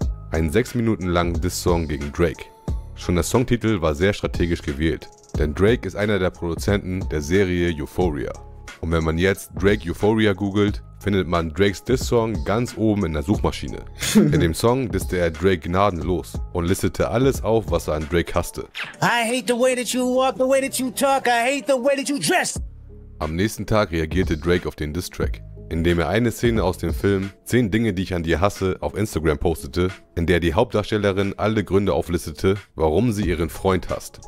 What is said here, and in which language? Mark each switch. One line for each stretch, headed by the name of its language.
German: Einen 6 Minuten langen Diss-Song gegen Drake. Schon der Songtitel war sehr strategisch gewählt, denn Drake ist einer der Produzenten der Serie Euphoria. Und wenn man jetzt Drake Euphoria googelt, findet man Drakes Diss-Song ganz oben in der Suchmaschine. In dem Song disste er Drake gnadenlos und listete alles auf, was er an Drake hasste.
English: I hate the way that you walk, the way that you talk, I hate the way that you dress.
German: Am nächsten Tag reagierte Drake auf den Diss-Track, indem er eine Szene aus dem Film 10 Dinge, die ich an dir hasse, auf Instagram postete, in der die Hauptdarstellerin alle Gründe auflistete, warum sie ihren Freund hasst.